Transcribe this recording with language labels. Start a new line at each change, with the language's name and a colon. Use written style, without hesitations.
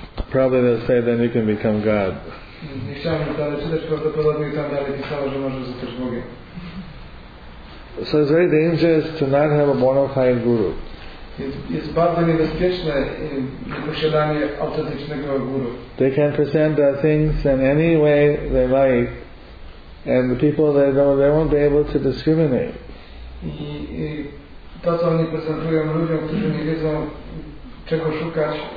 English: Probably they'll say then you can become God.
Polish: Nie chciałem dalej czytać, prawdopodobnie tam dalej pisało, że może zostać Bogiem.
English: So it's very dangerous to not have a bona fide guru.
Polish: Jest bardzo niebezpieczne posiadanie autentycznego guru.
English: They can present things in any way they like, and the people that know, they won't be able to discriminate.
Polish: I to, co oni prezentują ludziom, którzy nie wiedzą, czego szukać.